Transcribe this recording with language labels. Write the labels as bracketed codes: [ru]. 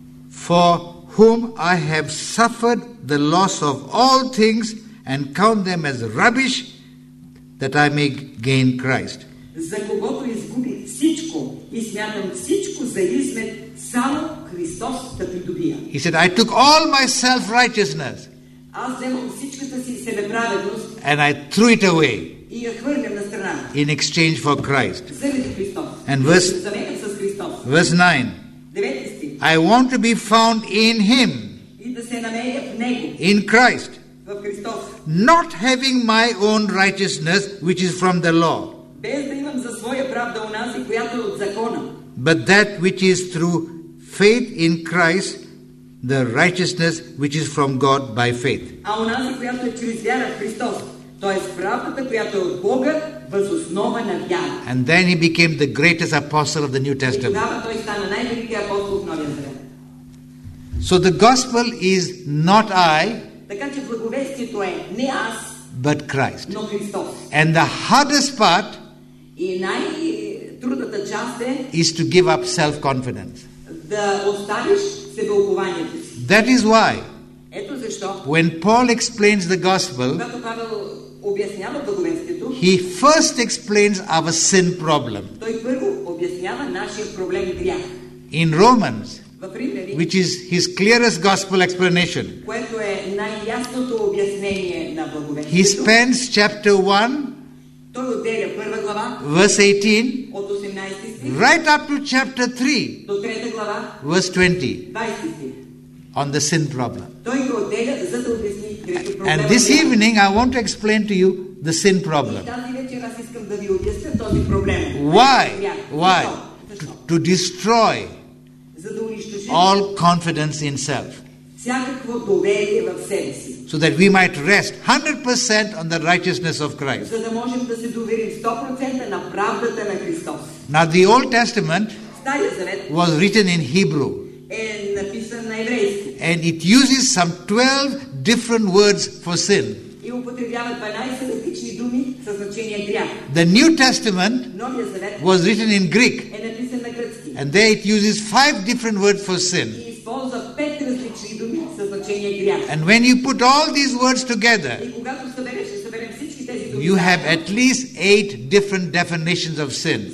[en] For whom I have suffered the loss of all things and count them as rubbish that I may gain Christ. [bg] За когото изгубих всичко и смятам всичко за измет, само Христос да придобия. [en] He said, I took all my self-righteousness. [bg] Аз вземам всичката си себеправедност. [en] And I threw it away. [bg] И я хвърлям на страна. [en] In exchange for Christ. [bg] Заради Христос. [en] And verse 9. [bg] 9. [en] I want to be found in Him. [bg] И да се намеря в Него. [en] In Christ. [bg] В Христос. [en] Not having my own righteousness, which is from the law. [bg] Без да имам за своя правда унази, която е от закона. [en] But that which is through faith in Christ, the righteousness which is from God by faith. [bg] А унази, която е чрез вяра в Христос, т.е. правдата, която е от Бога, въз основа на вяра. [en] And then he became the greatest apostle of the New Testament. [bg] И тогава той стана най-великият апостол в Новия Завет. [en] So the gospel is not I, [bg] така че благовестието е не аз, [en] but Christ. [bg] Но Христос. [en] And the hardest part [bg] и най-трудната част е [en] is to give up self-confidence. [bg] Да оставиш себеуплованието си. [en] That is why [bg] ето защо, [en] when Paul explains the gospel, [bg] когато Павел обяснява благовестието, [en] he first explains our sin problem. [bg] Той първо обяснява нашия проблем грях. [en] In Romans, [bg] Римляни, [en] which is his clearest gospel explanation, [bg] което е най-ясното обяснение на благовестието, [en] he spends chapter 1 verse 18, [bg] от 18 [en] right up to chapter 3 [bg] до 3 глава, [en] verse 20 [bg] 20 [en] on the sin problem. [bg] Той го отделя, за да обясни третия проблем. [en] And this evening I want to explain to you the sin problem. [bg] И тази вечер аз искам да ви обясня този проблем. [en] Why? To destroy all confidence in self. [bg] Всякакво доверие в себе си. [en] So that we might rest 100% on the righteousness of Christ. [bg] За да можем да се доверим 100% на правдата на Христос. [en] Now the Old Testament was written in Hebrew. [bg] Е написан на еврейски. [en] And it uses some 12 different words for sin. [bg] И употребява 12 различни думи за значение грях. [en] The New Testament was written in Greek. [bg] Е написан на гръцки. [en] And there it uses 5 different words for sin. And when you put all these words together, you have at least 8 different definitions of sin.